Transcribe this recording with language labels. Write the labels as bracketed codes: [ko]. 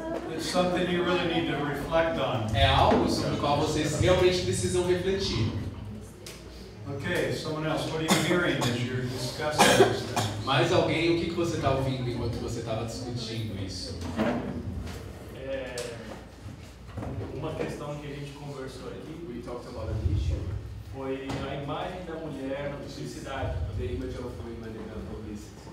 [en] It's something you really need to reflect on. [pt] É algo sobre o qual vocês realmente precisam refletir. [en] Okay, someone else, what are you hearing as you're discussing this? [pt] Mais alguém, o que você está ouvindo enquanto você estava discutindo isso? É uma questão que a gente conversou ali, [en] we talked about an issue, [pt] foi a imagem da mulher na publicidade, [en] the image of women in publicity.